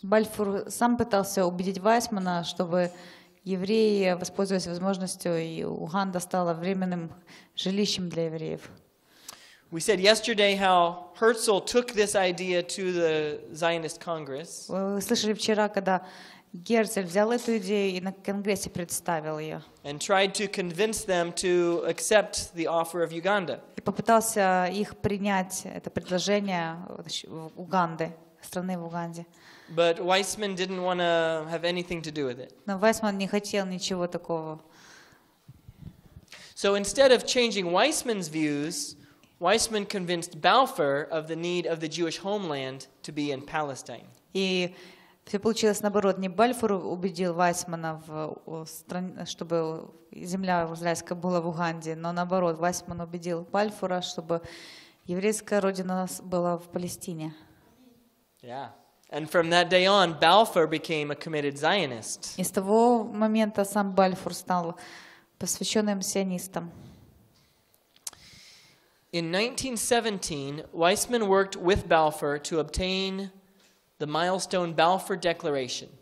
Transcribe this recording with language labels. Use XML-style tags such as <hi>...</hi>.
<ru>Бальфур сам пытался убедить Weizmanna, чтобы евреи воспользовались возможностью, и Уганда стала временным жилищем для евреев.</ru> <en>We said yesterday how Herzl took this idea to the Zionist Congress.</en> <ru>Вы слышали вчера, когда Герцль взял эту идею и на конгрессе представил ее.</ru> <en>And tried to convince them to accept the offer of Uganda.</en> <ru>И попытался их принять это предложение Уганды, страны в Уганде.</ru> <en>But Weizmann didn't want to have anything to do with it.</en> <ru>Но Weizmann не хотел ничего такого.</ru> <en>So instead of changing Weizmann's views, Weizmann convinced Balfour of the need of the Jewish homeland to be in Palestine.</en> <ru>И все получилось наоборот. Не Бальфур убедил Weizmanna в стране, чтобы земля израильская была в Уганде, но наоборот, Weizmann убедил Бальфура, чтобы еврейская родина была в Палестине.</ru> <en>Yeah. And from that day on, Balfour became a committed Zionist.</en> <ru>И с того момента сам Бальфур стал посвященным сионистом.</ru> <en>In 1917, Weizmann worked with Balfour to obtain the milestone Balfour Declaration.</en>